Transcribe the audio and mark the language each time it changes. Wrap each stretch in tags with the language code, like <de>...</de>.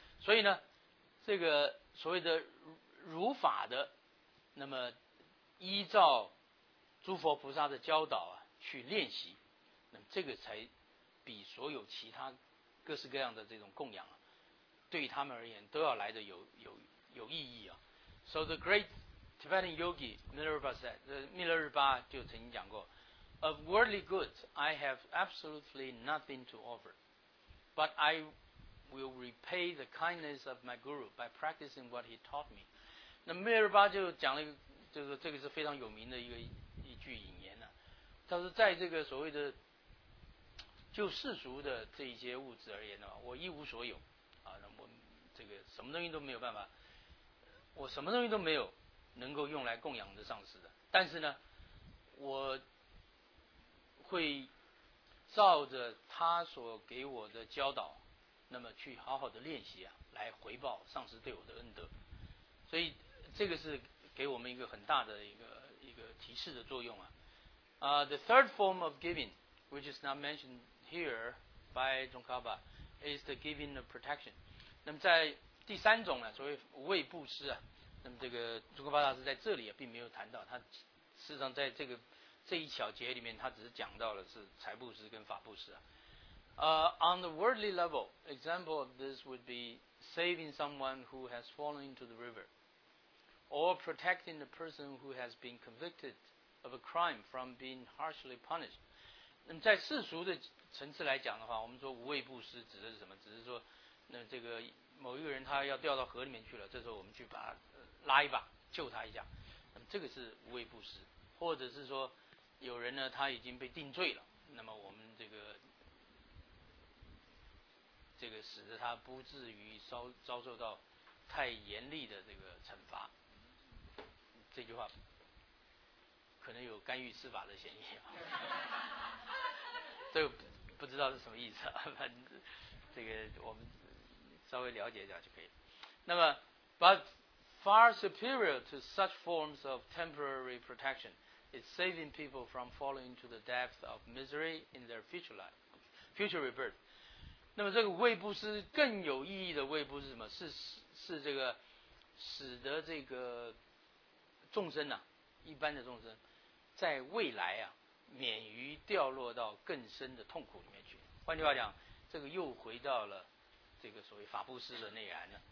<zh>所以呢，这个所谓的如法的，那么依照诸佛菩萨的教导啊，去练习，那么这个才比所有其他各式各样的这种供养啊，对于他们而言都要来的有意义啊。</zh> <en>So the great Tibetan yogi Milarepa said, Milarepa</en> <zh>就曾经讲过</zh> <en>，Of worldly goods, I have absolutely nothing to offer, but I will repay the kindness of my guru by practicing what he taught me.</en> <zh>那Milarepa就讲了一个，就是这个是非常有名的一句引言呢、啊，他说，在这个所谓的就世俗的这一些物质而言呢，我一无所有啊，那我这个什么东西都没有办法，我什么东西都没有能够用来供养的上师的，但是呢，我会照着他所给我的教导，那么去好好的练习啊，来回报上师对我的恩德，所以这个是给我们一个很大的一个提示的作用啊。</zh> <en>The third form of giving, which is not mentioned here by Tsongkhapa, is the giving of protection.</en> <zh>那么在第三种呢、啊，所谓无畏布施啊，那么这个Tsongkhapa大师在这里啊，并没有谈到，他事实上在这一小节里面，他只是讲到了是财布施跟法布施啊。</zh> <en>On the worldly level, example of this would be saving someone who has fallen into the river. Or protecting the person who has been convicted of a crime from being harshly punished.</en> <zh>那么在世俗的层次来讲的话，我们说无畏布施指的是什么？只是说，那这个某一个人他要掉到河里面去了，这时候我们去把他拉一把，救他一下。那么这个是无畏布施，或者是说有人呢他已经被定罪了，那么我们这个使得他不至于遭受到太严厉的这个惩罚。这句话可能有干预司法的嫌疑，这个不知道是什么意思，这个我们稍微了解一下就可以。</zh> <en>那么 but far superior to such forms of temporary protection It's saving people from falling into the depth of misery in their future life, future rebirth.</en> <zh>那么这个胃部是更有意义的胃部是什么？是这个使得这个众生啊，一般的众生，在未来啊，免于掉落到更深的痛苦里面去。换句话讲，这个又回到了这个所谓法布施的内涵了。</zh>